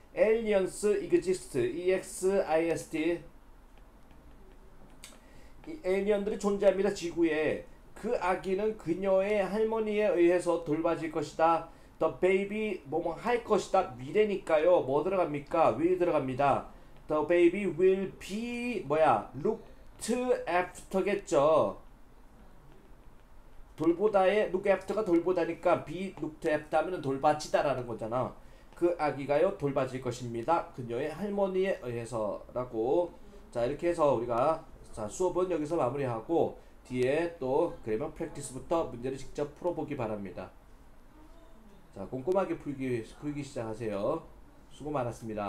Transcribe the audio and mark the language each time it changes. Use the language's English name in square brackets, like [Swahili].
[English] Aliens exist. EXIST. [Korean] 에일리언들이 존재합니다. 지구에. 그 아기는 그녀의 할머니에 의해서 돌봐질 것이다. [English] The baby [Korean] 뭐뭐 할 것이다. 미래니까요. 뭐 들어갑니까? will 들어갑니다. [English] The baby will be [Korean] 뭐야? [English] looked after겠죠. [Korean] 돌보다에 look after가 돌보다니까 be looked after 하면 돌봐지다라는 거잖아. 그 아기가요 돌봐질 것입니다. 그녀의 할머니에 의해서라고. 자 이렇게 해서 우리가 자 수업은 여기서 마무리하고 뒤에 또 그래머 프랙티스부터 문제를 직접 풀어보기 바랍니다. 자 꼼꼼하게 풀기 시작하세요. 수고 많았습니다.